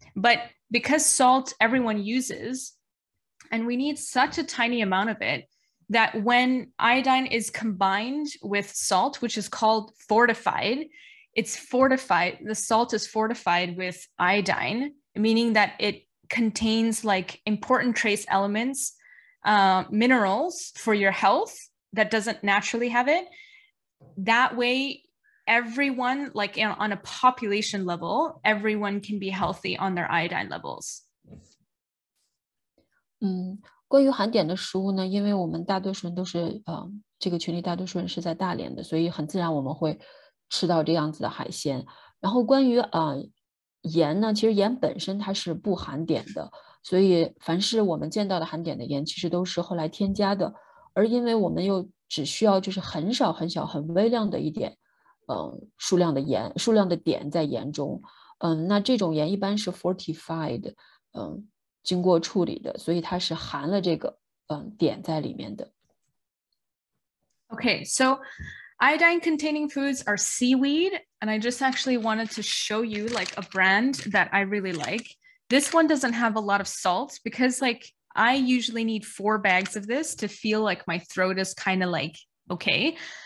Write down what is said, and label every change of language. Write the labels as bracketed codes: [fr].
[en] But because salt everyone uses, and we need such a tiny amount of it, that when iodine is combined with salt, which is called fortified, it's fortified, the salt is fortified with iodine, meaning that it contains like important trace elements, minerals for your health that doesn't naturally have it. That way, everyone, like on a population level, everyone can be healthy on their iodine levels. [zh] 关于含碘的食物呢，因为我们大多数人都是这个群里大多数人是在大连的，所以很自然我们会吃到这样子的海鲜。然后关于盐呢，其实盐本身它是不含碘的，所以凡是我们见到的含碘的盐其实都是后来添加的。而因为我们又只需要就是很少很小很微量的一点数量的盐，数量的碘在盐中，那这种盐一般是 fortified， 经过处理的，所以它是含了这个碘在里面的。 [en] Okay, so iodine containing foods are seaweed, and I just actually wanted to show you like a brand that I really like. This one doesn't have a lot of salt because like I usually need 4 bags of this to feel like my throat is kind of like okay.